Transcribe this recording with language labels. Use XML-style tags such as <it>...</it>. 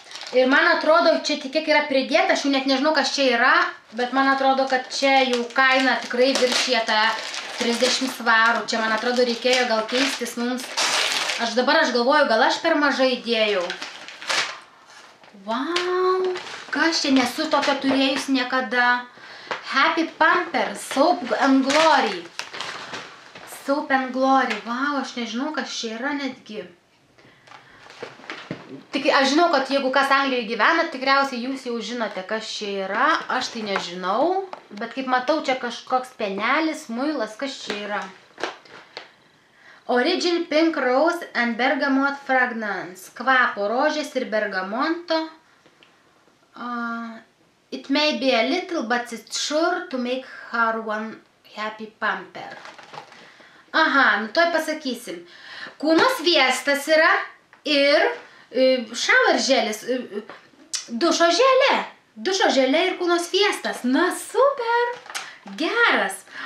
<lt>Ir man atrodo, čia tik kiek yra pridėta, aš jau net nežinau, kas čia yra, bet man atrodo, kad čia jau kaina tikrai viršyje tą 30 svarų. Čia, man atrodo, reikėjo gal keistis mums. Aš galvoju, gal aš per mažai įdėjau. Wow, kas čia, nesu tokio turėjus niekada. Happy Pampers, Soap and Glory. Soap and Glory, wow, aš nežinau, kas čia yra netgi. Tik aš žinau, kad jeigu kas Anglijoje gyvena, tikriausiai jūs jau žinote, kas čia yra, aš tai nežinau, bet kaip matau, čia kažkoks pienelis, muilas, kas čia yra. Origin Pink Rose and Bergamot Fragrance, kvapo rožės ir bergamonto,</lt> <en>It may be a little, but it's sure to make her one happy pumper.</en> <lt>Aha, nu toj pasakysim. Kūno sviestas yra ir shower želis, dušo želė. Dušo želė ir kūno sviestas. Na, super, geras.</lt>